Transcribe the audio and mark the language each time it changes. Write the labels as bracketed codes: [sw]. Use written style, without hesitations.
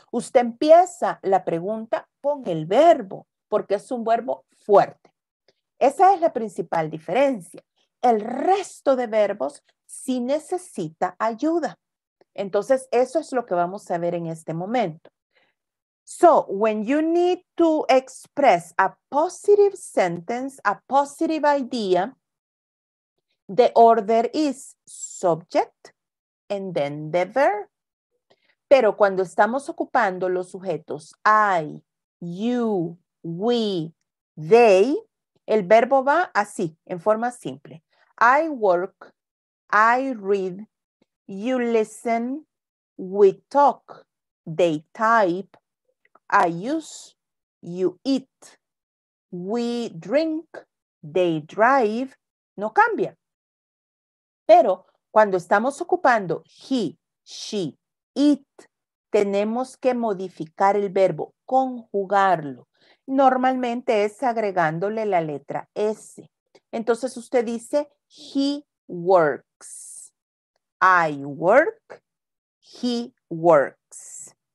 [es] Usted empieza la pregunta con el verbo porque es un verbo fuerte. Esa es la principal diferencia. El resto de verbos sí necesita ayuda. Entonces, eso es lo que vamos a ver en este momento. [en] So, when you need to express a positive sentence, a positive idea, the order is subject and then the verb. [es] Pero cuando estamos ocupando los sujetos I, you, we, they, el verbo va así, en forma simple. [en] I work, I read, you listen, we talk, they type. I use, you eat, we drink, they drive, [es] no cambia. Pero cuando estamos ocupando he, she, it, tenemos que modificar el verbo, conjugarlo. Normalmente es agregándole la letra S. Entonces usted dice [en] he works, I work, he works.